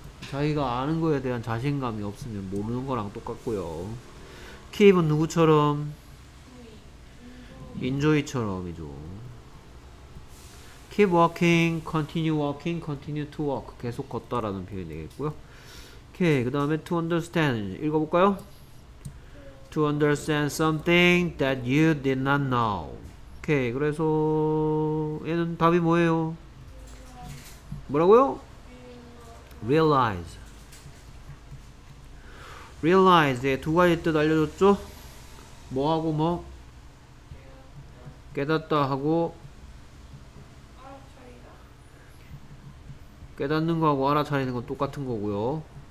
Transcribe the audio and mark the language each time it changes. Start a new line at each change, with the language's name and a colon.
Korean: 자기가 아는 거에 대한 자신감이 없으면 모르는 거랑 똑같고요. keep은 누구처럼? 인조이처럼이죠.
English: keep walking, continue walking, continue to walk.
Korean: 계속 걷다라는 표현이 되겠고요. 오케이. 그 다음에 to understand. 읽어볼까요?
English: to understand something that you did not know.
Korean: 오케이. 그래서 얘는 답이 뭐예요? 뭐라고요? realize. realize. 예, 두 가지 뜻 알려줬죠? 뭐하고 뭐? 깨닫다 하고 깨닫는 거하고 알아차리는 건 똑같은 거고요.